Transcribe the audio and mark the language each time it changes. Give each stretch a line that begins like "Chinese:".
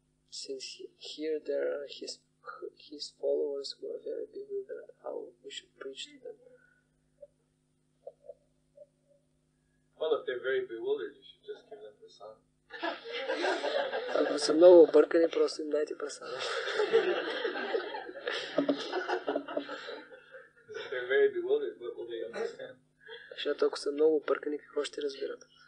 English: Since here there are his followers were very bewildered how we should preach to them. Well, if they're very bewildered, you should just give them the song.
Bulgarian: Ако са много объркани, просто им дайте прасана.
English: If they're very bewildered, what will they understand?
Bulgarian: Защото ако са много объркани, какво ще разбират?